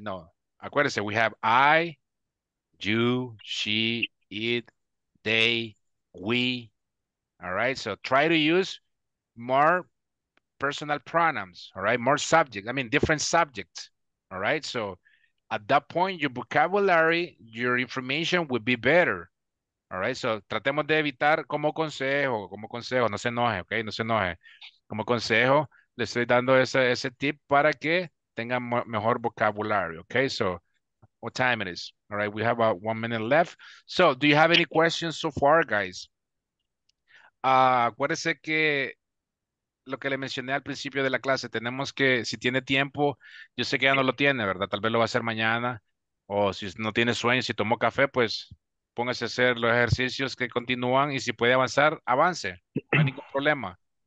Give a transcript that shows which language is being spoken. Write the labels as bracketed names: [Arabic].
[Spanish] No, acuérdense, [English] we have I, you, she, it, they, we. All right, so try to use more personal pronouns, all right? More subject, I mean, different subjects, all right? So at that point, your vocabulary, your information will be better, all right? [Spanish] So tratemos de evitar como consejo, no se enoje, okay? No se enoje. Como consejo, le estoy dando ese tip para que tengan mejor vocabulary, okay? [English] So what time it is, all right? We have about 1 minute left. So do you have any questions so far, guys? [Spanish] Acuérdese que lo que le mencioné al principio de la clase, tenemos que, si tiene tiempo, yo sé que ya no lo tiene, ¿verdad? Tal vez lo va a hacer mañana, o si no tiene sueño, si tomó café, pues póngase a hacer los ejercicios que continúan, y si puede avanzar, avance, no hay ningún problema.